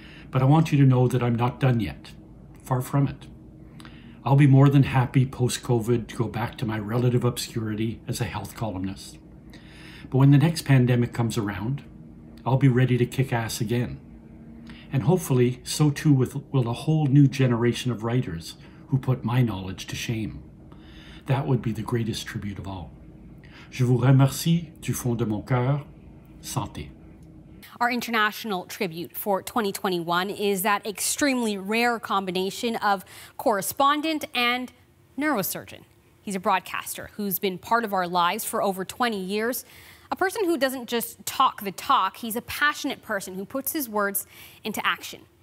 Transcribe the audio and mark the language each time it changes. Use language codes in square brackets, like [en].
[en] But I want you to know that I'm not done yet. Far from it. I'll be more than happy post-COVID to go back to my relative obscurity as a health columnist. But when the next pandemic comes around, I'll be ready to kick ass again. And hopefully, so too will a whole new generation of writers who put my knowledge to shame. That would be the greatest tribute of all. [fr] Je vous remercie du fond de mon cœur. Santé. [en] Our international tribute for 2021 is that extremely rare combination of correspondent and neurosurgeon. He's a broadcaster who's been part of our lives for over 20 years. A person who doesn't just talk the talk, he's a passionate person who puts his words into action.